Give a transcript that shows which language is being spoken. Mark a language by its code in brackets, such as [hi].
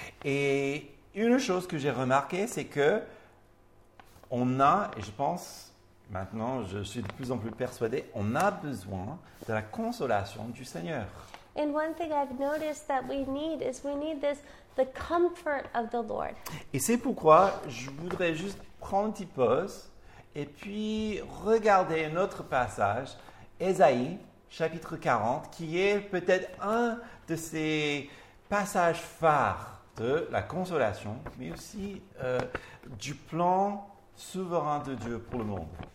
[fr] Et une chose que j'ai remarqué, c'est que on a, et je pense maintenant, je suis de plus en plus persuadé, on a besoin de la consolation du Seigneur. [en] And one thing I've noticed that we need is we need this. The comfort of the Lord. [fr] Et c'est pourquoi je voudrais juste prendre une petite pause et puis regarder un autre passage, Ésaïe chapitre 40, qui est peut-être un de ces passages phares de la consolation, mais aussi du plan souverain de Dieu pour le monde.